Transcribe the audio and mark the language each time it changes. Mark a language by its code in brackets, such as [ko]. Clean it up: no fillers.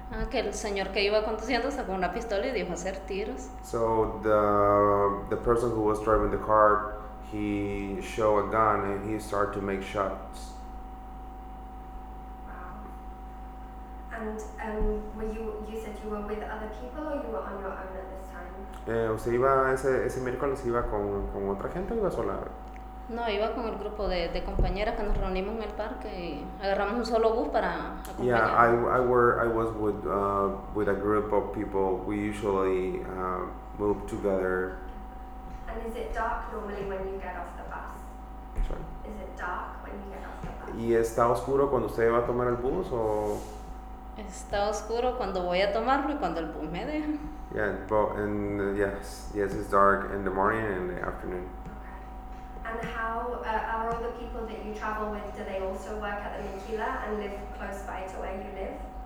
[es] Que el señor que iba conduciendo sacó una pistola y dijo hacer tiros. [en] So the person who was driving the car, he show a gun and he start to make shots. Wow. You said you were with other people or you were on your own at this time? [es] ¿Usted iba ese miércoles iba con otra gente o iba sola? No, iba con el grupo de compañeras que nos reunimos en el parque y agarramos un solo bus para acompañar. [en] Yeah, I was with a group of people. We usually move together. And is it dark normally when you get off the bus? Sorry. Is it dark when you get off the bus? [es] ¿Y está oscuro cuando usted va a tomar el bus o? Está oscuro cuando voy a tomarlo y cuando el bus me deja. [en] Yeah, but yes, it's dark in the morning and in the afternoon. Okay. And how are all the people that you travel with? Do they also work at the Maquila and live close by to where you live?